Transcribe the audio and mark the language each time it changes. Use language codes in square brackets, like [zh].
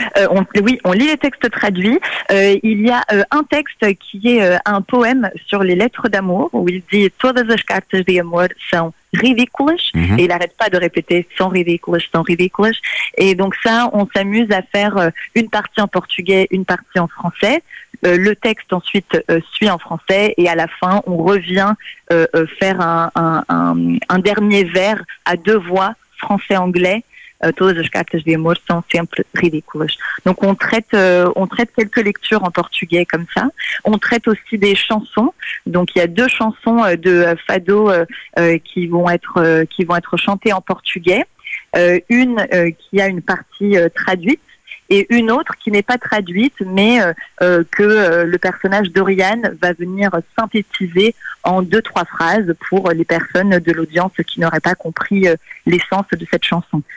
[fr] On lit les textes traduits. Il y a un texte qui est un poème sur les lettres d'amour où il dit « [pt] Todas as cartas de amor são ridículas [fr] » et il n'arrête pas de répéter « [pt] são ridículas, são ridículas ». [fr] Et donc ça, on s'amuse à faire une partie en portugais, une partie en français. Le texte ensuite suit en français et à la fin, on revient faire un dernier vers à deux voix français-anglais. [pt] Todas as cartas de amor são sempre ridículas. [fr] Donc on traite quelques lectures en portugais comme ça. On traite aussi des chansons. Donc il y a deux chansons de Fado qui vont être chantées en portugais. Une qui a une partie traduite et une autre qui n'est pas traduite, mais que le personnage d'Oriane va venir synthétiser en deux, trois phrases pour les personnes de l'audience qui n'auraient pas compris l'essence de cette chanson.